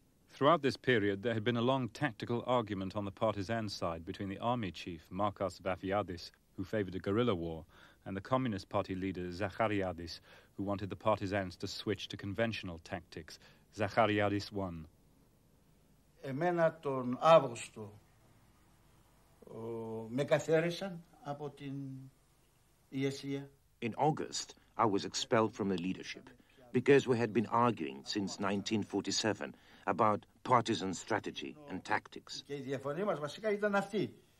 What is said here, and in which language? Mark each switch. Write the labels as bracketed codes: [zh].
[en] Throughout this period, there had been a long tactical argument on the partisan side between the army chief, Marcos Vafiadis, who favored a guerrilla war, and the Communist Party leader, Zachariadis, who wanted the partisans to switch to conventional tactics. Zachariadis won. [el] Εμένα τον Αύγουστο με καθαίρεσαν από την ηγεσία. [en] In August, I was expelled from the leadership because we had been arguing since 1947 about partisan strategy and tactics. [el] Και η διαφωνή μας βασικά ήταν αυτή.